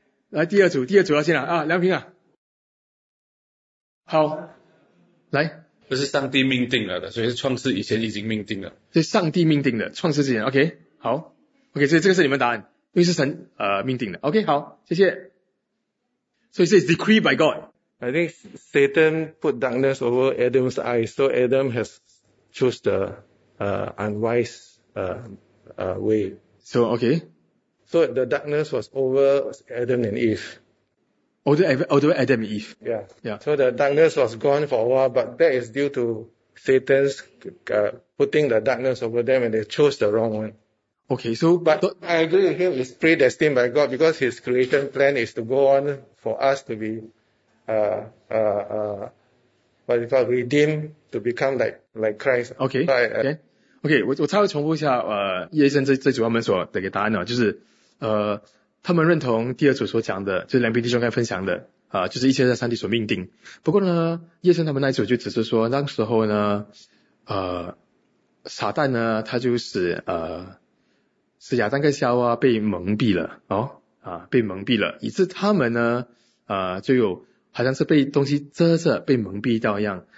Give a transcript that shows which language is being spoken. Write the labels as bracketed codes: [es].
[zh] 来，第二组要先来啊，梁平啊。好，来。不是上帝命定了的，所以是创世以前已经命定了。是上帝命定的，创世之前。 OK， 好。 OK， 所以这个是你们答案，因为是神命定的。 OK， 好，谢谢。所以是 [en] decree by God。 I think Satan put darkness over Adam's eyes, so Adam has choose the unwise way. So OK. So the darkness was over Adam and Eve. Although Adam and Eve. Yeah. So the darkness was gone for a while, but that is due to Satan's putting the darkness over them and they chose the wrong one. Okay, so... But I agree with him, it's predestined by God because his creation plan is to go on for us to be, what you call, redeemed to become like Christ. Okay, so okay. [zh] 我稍微重复一下叶医生这组他们所的答案，就是他们认同第二组所讲的，就是梁平弟兄刚才分享的就是一切在上帝所命定。不过呢，叶圣他们那一组就只是说，当时候呢，撒旦呢，他就是使亚当跟夏娃被蒙蔽了被蒙蔽了，以致他们呢，就有好像是被东西遮着，被蒙蔽到一样。